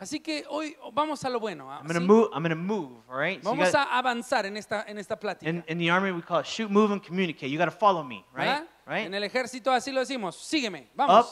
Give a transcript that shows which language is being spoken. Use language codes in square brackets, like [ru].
[es] Así que hoy vamos a lo bueno. [en] I'm gonna move, all right? [es] Vamos a avanzar en esta plática. [en] In the army we call it shoot, move, and communicate. You got to follow me, right? [es] ¿Verdad? [en] Right? [es] En el ejército así lo decimos, sígueme, vamos,